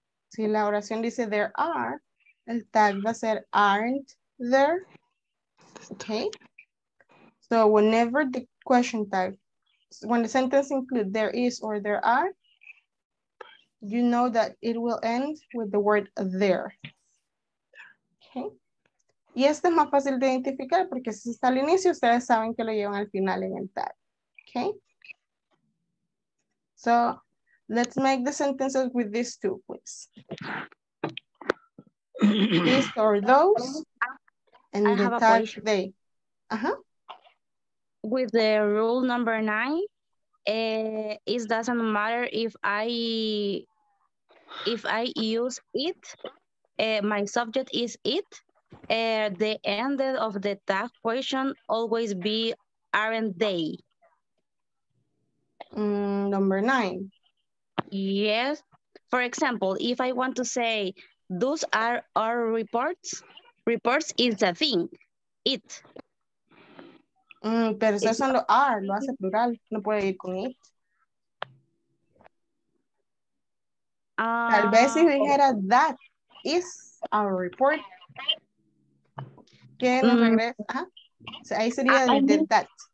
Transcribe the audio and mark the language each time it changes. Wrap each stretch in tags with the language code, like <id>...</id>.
<es>Si la oración dice</es> <en>there are,</en> <es>el tag va a ser</es> <en>aren't there.</en> <es>Okay.</es> <en>So whenever the question tag, when the sentence include there is or there are, you know that it will end with the word there.</en> <es>Okay. Y este es más fácil de identificar porque si está al inicio, ustedes saben que lo llevan al final en el tag.</es> <en>Okay. So, let's make the sentences with these two, please. This or those, and I the tag they. Uh-huh. With the rule number 9, it doesn't matter if I use it, my subject is it, the end of the tag question always be aren't they. Number 9. Yes. For example, if I want to say those are our reports, reports is a thing. It.</en> <es>Pero eso es lo are, lo hace plural. No puede ir con it. Tal vez si dijera</es> <en>that is our report.</en> <es>¿Qué nos regresa? So ahí sería that.</es>